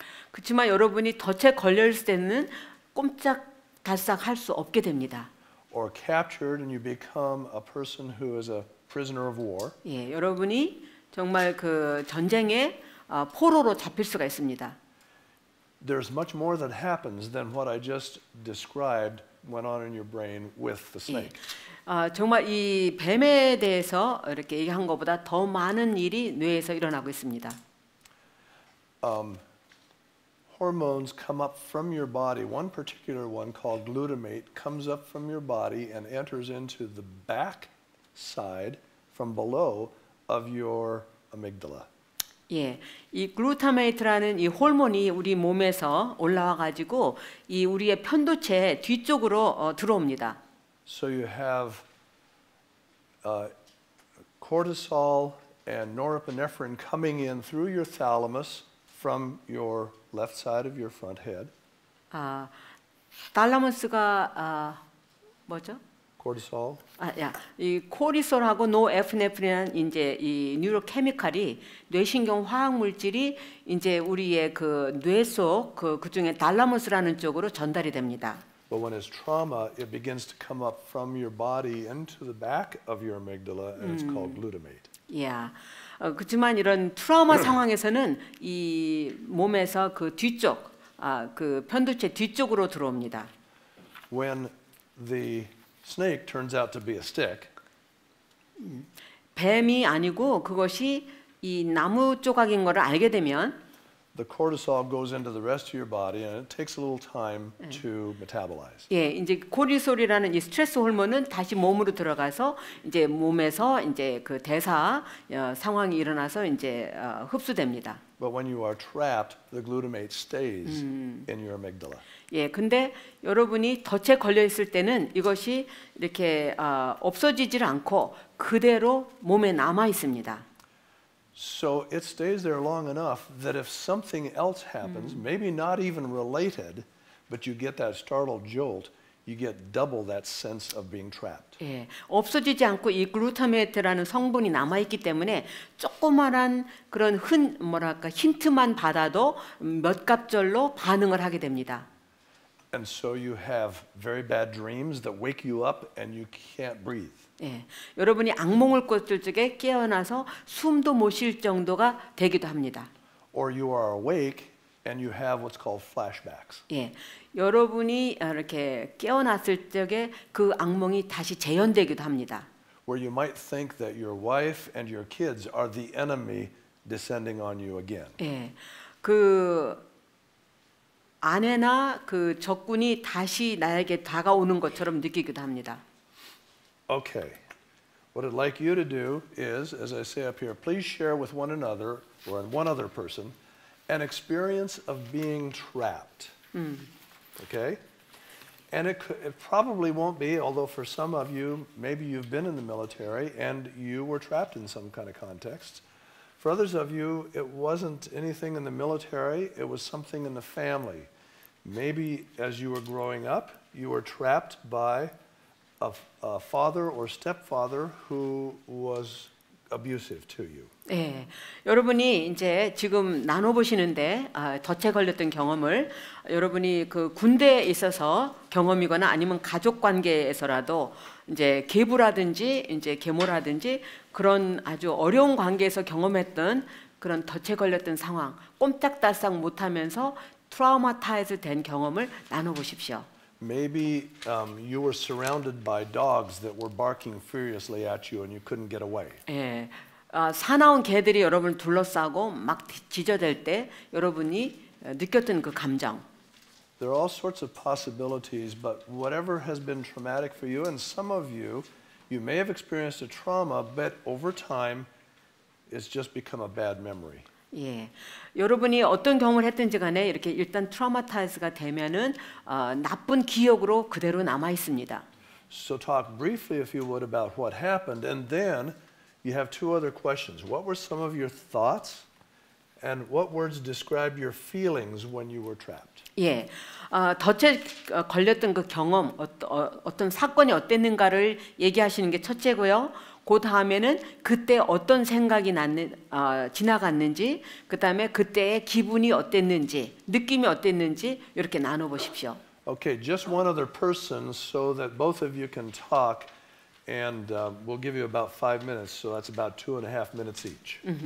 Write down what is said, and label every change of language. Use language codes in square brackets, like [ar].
[ko] 그렇지만 여러분이 덫에 걸려 있을 때는 꼼짝달싹 할 수 없게 됩니다. [en] Or captured and you become a person who is a prisoner of war. [ko] 예, 여러분이 정말 그 전쟁의 포로로 잡힐 수가 있습니다. [en] There's much more that happens than what I just described went on in your brain with the snake. [ko] 정말 이 뱀에 대해서 이렇게 얘기한 것보다 더 많은 일이 뇌에서 일어나고 있습니다. [en] Hormones come up from your body. One particular one called glutamate comes up from your body and enters into the back side from below of your amygdala. [ko] 예, 이 글루타메이트라는 이 호르몬이 우리 몸에서 올라와 가지고 이 우리의 편도체 뒤쪽으로 들어옵니다. [en] So you have cortisol and norepinephrine coming in through your thalamus from your left side of your front head. [ko] 아, 탈라무스가 뭐죠? [en] Cortisol. [ko] 아, 야, 이 코르티솔하고 노에피네프린 이제 이 뉴로케미칼이 뇌신경 화학 물질이 이제 우리의 그 뇌 속 그 중에 달라무스라는 쪽으로 전달이 됩니다. [en] But when it's trauma, it begins to come up from your body into the back of your amygdala, and it's called glutamate. Yeah. [ko] 그렇지만 이런 트라우마 상황에서는 이 몸에서 그 뒤쪽 아, 그 편도체 뒤쪽으로 들어옵니다. [en] When the snake turns out to be a stick. [ko] 뱀이 아니고 그것이 이 나무 조각인 것을 알게 되면 [en] the cortisol goes into the rest of your body and it takes a little time to metabolize. [ko] 예, 이제 코르티솔이라는 이 스트레스 호르몬은 다시 몸으로 들어가서 이제 몸에서 이제 그 대사 상황이 일어나서 이제 흡수됩니다. [en] But when you are trapped, the glutamate stays in your amygdala. [ko] 예, 근데 여러분이 덫에 걸려 있을 때는 이것이 이렇게 없어지질 않고 그대로 몸에 남아 있습니다. [en] So it stays there long enough that if something else happens, maybe not even related, but you get that startled jolt, you get double that sense of being trapped. [ko] 예, 없어지지 않고 이 글루타메이트라는 성분이 남아 있기 때문에 조그마한 그런 흔 뭐랄까 힌트만 받아도 몇 갑절로 반응을 하게 됩니다. [en] And so you have very bad dreams that wake you up and you can't breathe. [ko] 예, 여러분이 악몽을 꿨을 적에 깨어나서 숨도 못 쉴 정도가 되기도 합니다. [en] Or you are awake and you have what's called flashbacks. [ko] 예, 여러분이 이렇게 깨어났을 적에 그 악몽이 다시 재현되기도 합니다. [en] Where you might think that your wife and your kids are the enemy descending on you again. [ko] 예, 그 아내나 그 적군이 다시 나에게 다가오는 것처럼 느끼기도 합니다. [en] Okay. What I'd like you to do is, as I say up here, please share with one another or one other person an experience of being trapped. Okay? And it probably won't be, although for some of you, maybe you've been in the military and you were trapped in some kind of context. For others of you, it wasn't anything in the military, it was something in the family. Maybe as you were growing up, you were trapped by a father or stepfather who was abusive to you. [ko] 예, 여러분이 이제 지금 나눠보시는데 덫에 걸렸던 경험을 여러분이 그 군대에 있어서 경험이거나 아니면 가족 관계에서라도 이제 계부라든지 이제 계모라든지 그런 아주 어려운 관계에서 경험했던 그런 덫에 걸렸던 상황 꼼짝달싹 못하면서 트라우마타이즈 된 경험을 나눠보십시오. [en] Maybe you were surrounded by dogs that were barking furiously at you and you couldn't get away. [ko] 예. 아, 사나운 개들이 여러분을 둘러싸고 막 짖어댈 때 여러분이 느꼈던 그 감정. [en] There are all sorts of possibilities, but whatever has been traumatic for you, and some of you, you may have experienced a trauma, but over time, it's just become a bad memory. [ko] 예, 여러분이 어떤 경험을 했든지 간에 이렇게 일단 트라우마타이즈가 되면은 나쁜 기억으로 그대로 남아 있습니다. [en] So talk briefly, if you would, about what happened, and then you have two other questions. What were some of your thoughts? And what words describe your feelings when you were trapped? [ko] 예, 덫에 걸렸던 그 경험, 어떤 사건이 어땠는가를 얘기하시는 게 첫째고요. 그 다음에는 그때 어떤 생각이 지나갔는지, 그 다음에 그때의 기분이 어땠는지, 느낌이 어땠는지 이렇게 나눠보십시오. [en] Okay, just one other person so that both of you can talk. And we'll give you about 5 minutes, so that's about 2.5 minutes each.